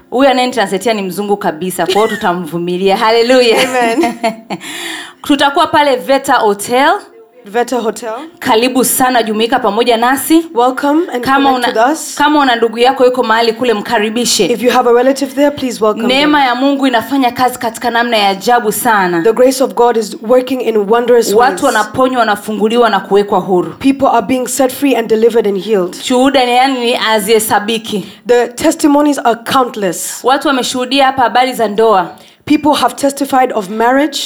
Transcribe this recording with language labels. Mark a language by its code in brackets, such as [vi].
[sw] Huyu anayetransletia ni mzungu kabisa. Kwa hiyo tutamvumilia. Hallelujah. Amen. Tutakuwa pale Veta Hotel. Veta Hotel. Karibu sana jumuika pamoja nasi. [en] Welcome and come with us. [sw] Kama una ndugu yako yuko mahali kule mkaribishe. [en] If you have a relative there, please welcome. [sw] Neema ya Mungu inafanya kazi katika namna ya ajabu sana. [en] The grace of God is working in wondrous ways. [sw] Watu wanaponywa, wanafunguliwa na kuwekwa huru. [en] People are being set free and delivered and healed. [sw] Shuhuda yani azihesabiki. [en] The testimonies are countless. [sw] Watu wameshuhudia hapa habari za ndoa. [en] People have testified of marriage.